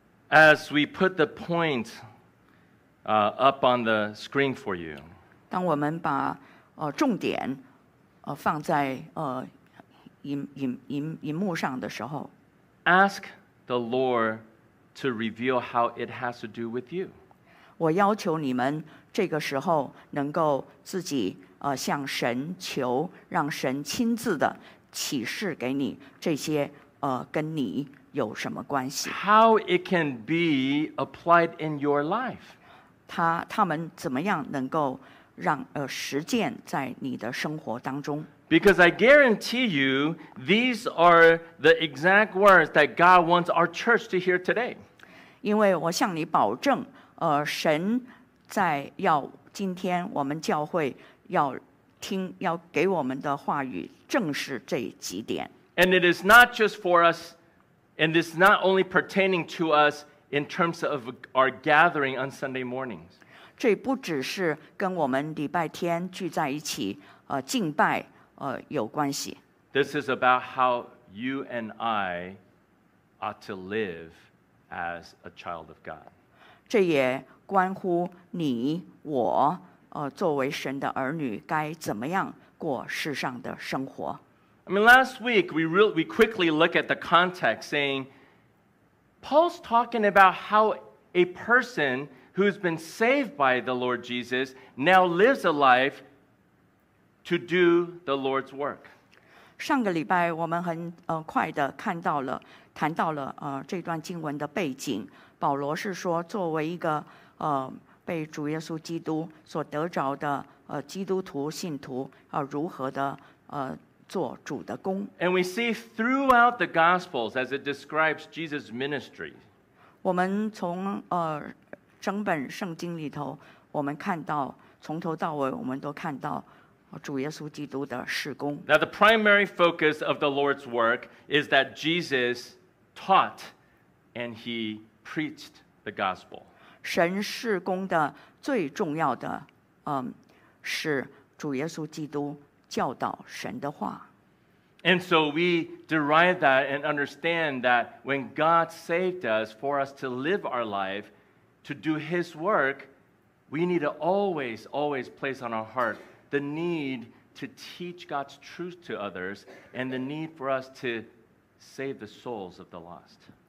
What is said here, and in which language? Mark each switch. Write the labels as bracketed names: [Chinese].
[English] as we put the point up on the screen for you, [Chinese] 当我们把重点放在荧幕上的时候， [English] ask the Lord to reveal how it has to do with you. [Chinese] 我要求你们这个时候能够自己向神求，让神亲自的启示给你这些跟你有什么关系。 [English] How it can be applied in your life. [Chinese] 他们怎么样能够让实践在你的生活当中。 [English] Because I guarantee you, these are the exact words that God wants our church to hear today. [Chinese] 因为我向你保证，神在要今天我们教会要听，要给我们的话语正是这几点。 [English] And it is not just for us, and it's not only pertaining to us in terms of our gathering on Sunday mornings. [Chinese] 这不只是跟我们礼拜天聚在一起敬拜有关系。 [English] This is about how you and I ought to live as a child of God. [Chinese] 这也关乎你我作为神的儿女该怎么样过世上的生活。 [English] I mean, last week we quickly look at the context, saying Paul's talking about how a person who's been saved by the Lord Jesus now lives a life to do the Lord's work. [Chinese] 上个礼拜我们很快的看到了，谈到了这段经文的背景。保罗是说，作为一个被主耶稣基督所得着的基督徒信徒，如何的做主的工。 [English] And we see throughout the Gospels as it describes Jesus' ministry. [Chinese] 我们从整本圣经里头，我们看到从头到尾，我们都看到主耶稣基督的事工。 [English] Now the primary focus of the Lord's work is that Jesus taught and he preached the gospel. [Chinese] 神事工的最重要的是主耶稣基督教导神的话。 [English] And so we derive that and understand that when God saved us for us to live our life to do his work, we need to always, always place on our heart the need to teach God's truth to others and the need for us to save the souls of the lost.